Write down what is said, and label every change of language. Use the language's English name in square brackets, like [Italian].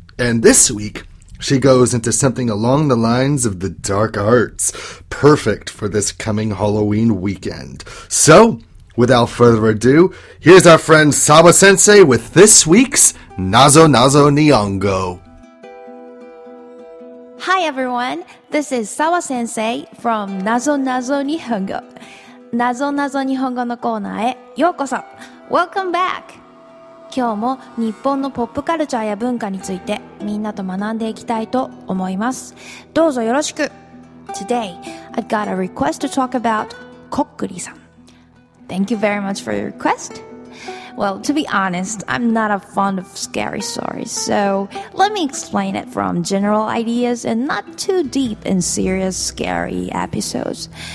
[English] And this week, she goes into something along the lines of the dark arts, perfect for this coming Halloween weekend. So, without further ado, here's our friend Saba-sensei with this week's Nazo Nazo Nihongo. Hi everyone, this is Saba-sensei from Nazo Nazo Nihongo. [Japanese] Nazo Nazo Nihongo のコーナーへようこそ。 [English] Welcome back! [Japanese] 今日も日本のポップカルチャーや文化についてみんなと学んでいきたいと思います。どうぞよろしく。 [English] Today, I've got a request to talk about こっくりさん。 Thank you very much for your request. Well, to be honest, I'm not a fan of scary stories, so let me explain it from general ideas and not too deep in serious scary episodes.